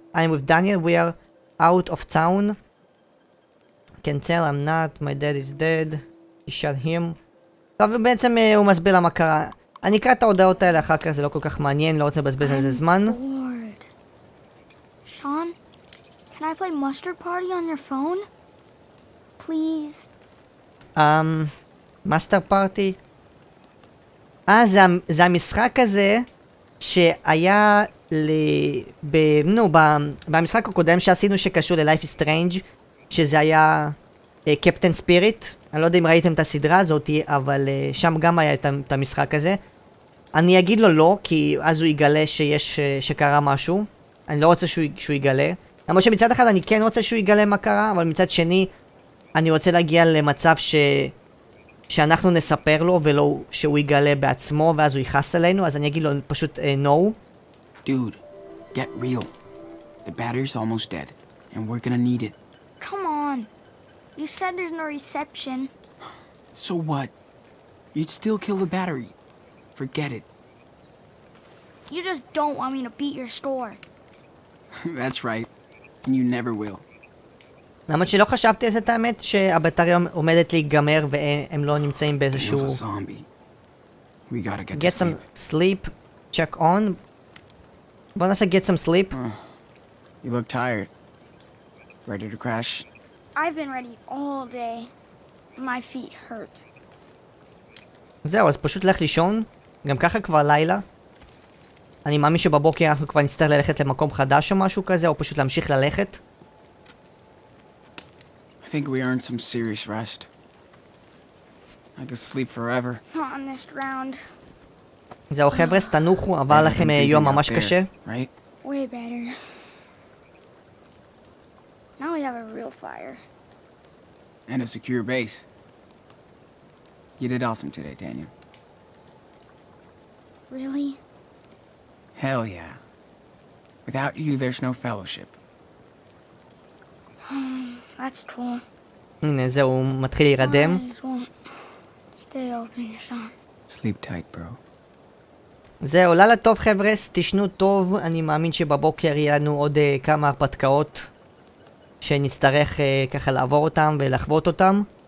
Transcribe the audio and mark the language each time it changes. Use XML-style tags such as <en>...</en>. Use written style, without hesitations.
<en>I'm with Daniel, we are out of town. Can tell I'm not, my dad is dead. He shot him.</en> <he>טוב, בעצם הוא מסביר למה קרה. אני אקרא את ההודעות האלה אחר כך, זה לא כל כך מעניין, לא רוצה לבזבז על זה זמן.</he> <en>שון, can I play mustard party on your phone? Please. mustard party?</en> <he>זה המשחק הזה שהיה במשחק הקודם שעשינו שקשור ל-Life is Strange, שזה היה קפטן ספיריט. אני לא יודע אם ראיתם את הסדרה הזאת, אבל שם גם היה את המשחק הזה. אני אגיד לו לא, כי אז הוא יגלה שקרה משהו. אני לא רוצה שהוא יגלה. למרות שמצד אחד אני כן רוצה שהוא יגלה מה קרה, אבל מצד שני, אני רוצה להגיע למצב שאנחנו נספר לו, ולא שהוא יגלה בעצמו, ואז הוא יכעס עלינו, אז אני אגיד לו פשוט no.</he> <en>Dude, get real. The battery's almost dead, and we're gonna need it. Come on. You said there's no reception. So what? You'd still kill the battery. Forget it. You just don't want me to beat your score. That's right. And you never will.</en> <he>למרות שלא חשבתי את האמת שהבטריה עומדת להיגמר והם לא נמצאים באיזשהו...</he> <en>Daniel's a zombie. We gotta get, to sleep. Get some sleep. Check on.</en> <he>בוא נעשה</he> <en>get some sleep. You look tired. Ready to crash? I've been ready all day. My feet hurt.</en> <he>זהו, אז פשוט לך לישון. גם ככה כבר לילה. אני מאמין שבבוקר אנחנו כבר נצטרך ללכת למקום חדש או משהו כזה, או פשוט להמשיך ללכת.</he> <en>I think we earned some serious rest. I could sleep forever. On this round.</en> <he>זהו, חבר'ה, סתנוחו, עבר לכם יום ממש קשה.</he> <en>Right? Way better. Now we have a real fire. And a secure base. You did awesome today, Daniel. Really? Hell yeah. Without you, there's no fellowship. That's cool.</en> <he>הנה, זהו, הוא מתחיל להירדם.</he> <en>Stay open, Sean. Sleep tight, bro.</en> <he>זהו, לילה טוב, חבר'ס. תשנו טוב. אני מאמין שבבוקר יהיה לנו עוד כמה הרפתקאות שנצטרך ככה לעבור אותם ולחוות אותם.</he>